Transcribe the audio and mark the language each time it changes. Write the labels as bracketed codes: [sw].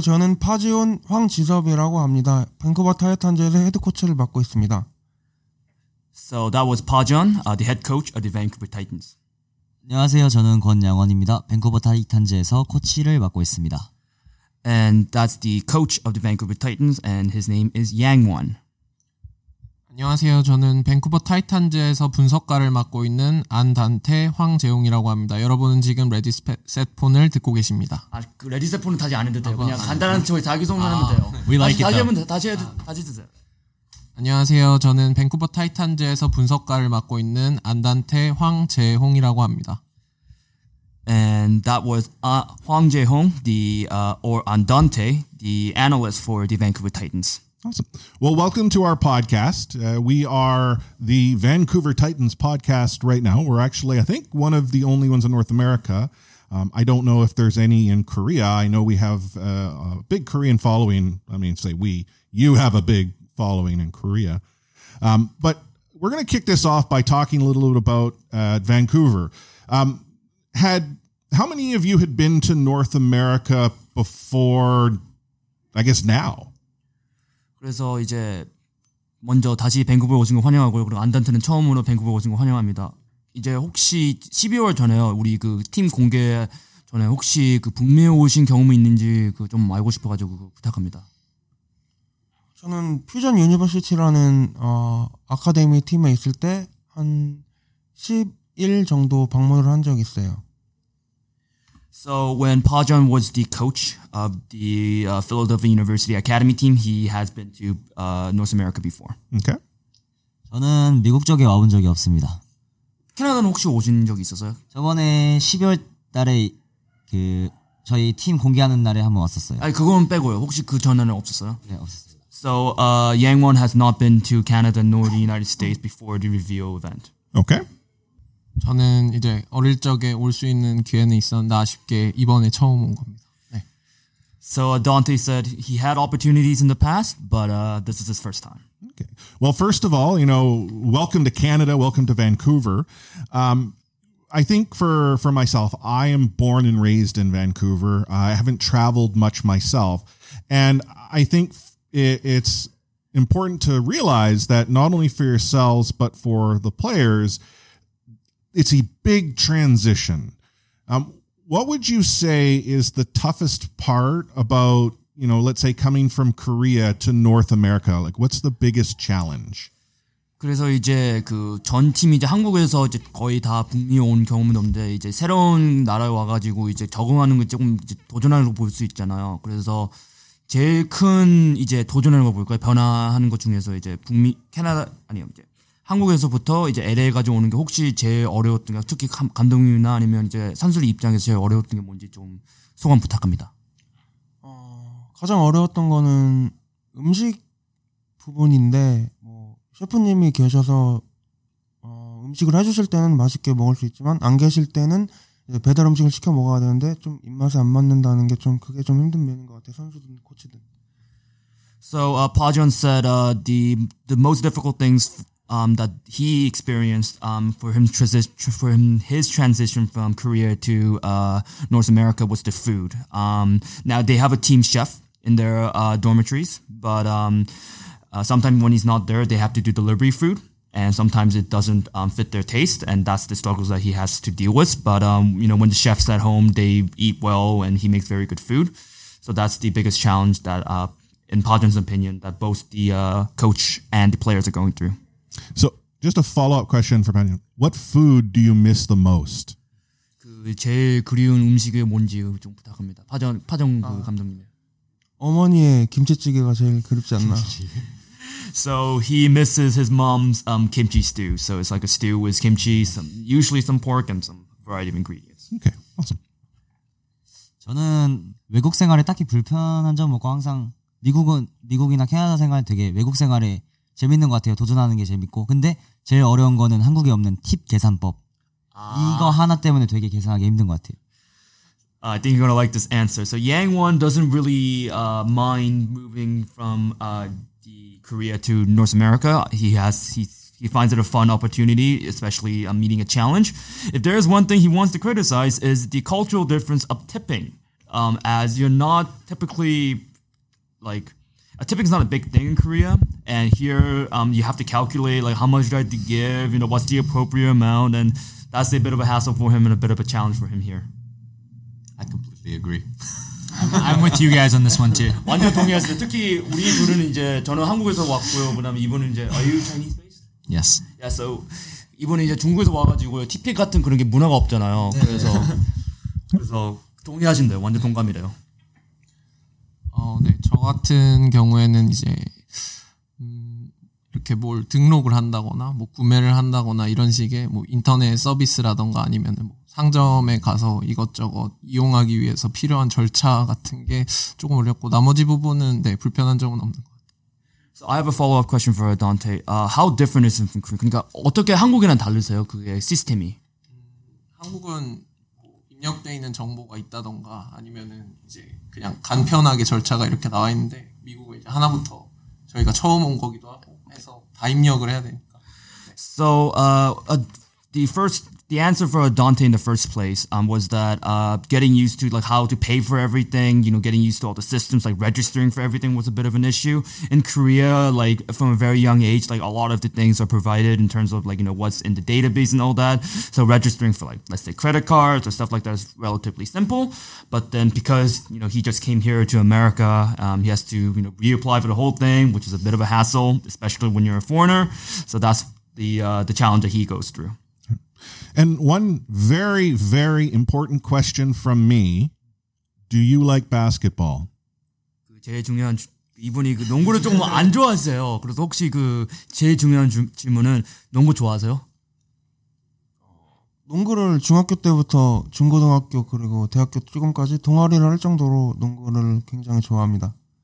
[ko] 저는 파지온 황지섭이라고 합니다. 밴쿠버 타이탄즈의 헤드코치를 맡고 있습니다. [en] So that was Pajon, the head coach of the Vancouver Titans. [ko] 안녕하세요. 저는 권양원입니다. 밴쿠버 타이탄즈에서 코치를 맡고 있습니다. [en] And that's the coach of the Vancouver Titans, and his name is Yangwon. [ko] 안녕하세요. 저는 밴쿠버 타이탄즈에서 분석가를 맡고 있는 안단테 황재웅이라고 합니다. 여러분은 지금 레디 셋폰을 듣고 계십니다. 아, 그 레디 셋폰은 다시 안 해도 돼요. 그냥 간단한 저희 자기소개만 하면 돼요. [en] We like [ko] 다시 하면 돼요. 다시 해도 다시 드세요. 안녕하세요. 저는 밴쿠버 타이탄즈에서 분석가를 맡고 있는 안단테 황재홍이라고 합니다. [en] And that was 황재홍, or Andante, the analyst for the Vancouver Titans. Awesome. Well, welcome to our podcast. We are the Vancouver Titans podcast right now. We're actually, I think, one of the only ones in North America. I don't know if there's any in Korea. I know we have a big Korean following. I mean, say we. You have a big following in Korea. But we're going to kick this off by talking a little bit about Vancouver. How many of you had been to North America before, I guess, now? [ko] 그래서 이제 먼저 다시 밴쿠버 오신 거 환영하고요. 그리고 안단트는 처음으로 밴쿠버 오신 거 환영합니다. 이제 혹시 12월 전에요. 우리 그 팀 공개 전에 혹시 그 북미에 오신 경험이 있는지 그 좀 알고 싶어가지고 부탁합니다. 저는 퓨전 유니버시티라는 아카데미 팀에 있을 때 한 10일 정도 방문을 한 적 있어요. [en] So when Pajon was the coach of the Philadelphia University Academy team, he has been to North America before. Okay. [ko] 저는 미국 쪽에 와본 적이 없습니다. 캐나다는 혹시 오신 적이 있었어요? 저번에 12월 달에 그 저희 팀 공개하는 날에 한번 왔었어요. 아니 그건 빼고요. 혹시 그 전에는 없었어요? 네, 없었어요. [en] So Yang Won has not been to Canada nor the United States before the reveal event. Okay. [ko] 저는 이제 어릴 적에 올 수 있는 기회는 있었는데 아쉽게 이번에 처음 온 겁니다. 네. [en] So Dante said he had opportunities in the past, but this is his first time. Okay. Well, first of all, you know, welcome to Canada, welcome to Vancouver. I think for myself, I am born and raised in Vancouver. I haven't traveled much myself. And I think it's important to realize that not only for yourselves, but for the players, it's a big transition. What would you say is the toughest part about, you know, let's say coming from Korea to North America? Like, what's the biggest challenge? [ko] 그래서 이제 그 전 팀이 이제 한국에서 이제 거의 다 북미 온 경험은 없는데 이제 새로운 나라에 와가지고 이제 적응하는 게 조금 이제 도전하는 거 볼 수 있잖아요. 그래서 제일 큰 이제 도전하는 거 볼까요? 변화하는 것 중에서 이제 북미 캐나다 아니요 이제 한국에서부터 이제 LA 가지고 오는 게 혹시 제일 어려웠던 게 특히 감독님이나 아니면 이제 선수들 입장에서 제일 어려웠던 게 뭔지 좀 소감 부탁합니다. 가장 어려웠던 거는 음식 부분인데. 셰프님이 계셔서 음식을 해주실 때는 맛있게 먹을 수 있지만 안 계실 때는 이제 배달 음식을 시켜 먹어야 되는데 좀 입맛에 안 맞는다는 게 좀 그게 좀 힘든 면인 것 같아요. 선수든 코치든. [en] So Pajeon said the most difficult things that he experienced for his transition from Korea to North America was the food. Now they have a team chef in their dormitories, but sometimes when he's not there, they have to do delivery food, and sometimes it doesn't fit their taste, and that's the struggles that he has to deal with. But you know, when the chef's at home, they eat well, and he makes very good food. So that's the biggest challenge that, in Pajeon's opinion, that both the coach and the players are going through. So just a follow-up question for Pajeon. What food do you miss the most? [ko] 그 제일 그리운 음식이 뭔지 좀 부탁합니다. 파전 그 감독님. 어머니의 김치찌개가 제일 그립지 않나. [en] So he misses his mom's kimchi stew. So it's like a stew with kimchi, usually some pork and some variety of ingredients. Okay, awesome. [ko] 저는 외국 생활에 딱히 불편한 점 없고 항상 미국이나 캐나다 생활 되게 외국 생활에 재밌는 것 같아요. 도전하는 게 재밌고. 근데 제일 어려운 거는 한국에 없는 팁 계산법. 이거 하나 때문에 되게 계산하기 힘든 것 같아요. [en] I think you're going to like this answer. So Yang Won doesn't really mind moving from Korea to North America. He finds it a fun opportunity, especially meeting a challenge. If there is one thing he wants to criticize is the cultural difference of tipping, as you're not typically, like, a tipping is not a big thing in Korea. And here you have to calculate, like, how much do I have to give, you know, what's the appropriate amount. And that's a bit of a hassle for him and a bit of a challenge for him here. I completely agree. I'm with you guys on this one too. [ko] 완전 동의했어요. 특히 우리 둘은 이제 저는 한국에서 왔고요. 그다음에 이분은 이제 [en] Are you Chinese based? Yes. Yeah. So [ko] 이분은 이제 중국에서 와가지고요. TP 같은 그런 게 문화가 없잖아요. 그래서 동의하신대요. 완전 동감이래요. 네. 저 같은 경우에는 이제 이렇게 뭘 등록을 한다거나 뭐 구매를 한다거나 이런 식의 뭐 인터넷 서비스라든가 아니면은 뭐 상점에 가서 이것저것 이용하기 위해서 필요한 절차 같은 게 조금 어렵고 나머지 부분은 네 불편한 점은 없는 것 같아요. [en] So I have a follow-up question for Dante. How different is it from Korea? [ko] 그러니까 어떻게 한국이랑 다르세요? 그게 시스템이? 한국은 입력돼 있는 정보가 있다던가 아니면은 이제 그냥 간편하게 절차가 이렇게 나와 있는데 미국은 이제 하나부터 저희가 처음 온 거기도 하고 해서 다 입력을 해야 되니까. [en] So the first The answer for Dante in the first place was that getting used to like how to pay for everything, you know, getting used to all the systems, like registering for everything was a bit of an issue. In Korea, like from a very young age, like a lot of the things are provided in terms of like, you know, what's in the database and all that. So registering for like, let's say credit cards or stuff like that is relatively simple. But then because, you know, he just came here to America, he has to, you know, reapply for the whole thing, which is a bit of a hassle, especially when you're a foreigner. So that's the challenge that he goes through. And one very, very important question from me. Do you like basketball? [ko] 제일 중요한 이분이 그 농구를 조금 안 좋아하세요. 그래서 혹시 그 제일 중요한 질문은 농구 좋아하세요? 농구를 중학교 때부터 중고등학교 그리고 대학교 조금까지 동아리를 할 정도로 농구를 굉장히 좋아합니다.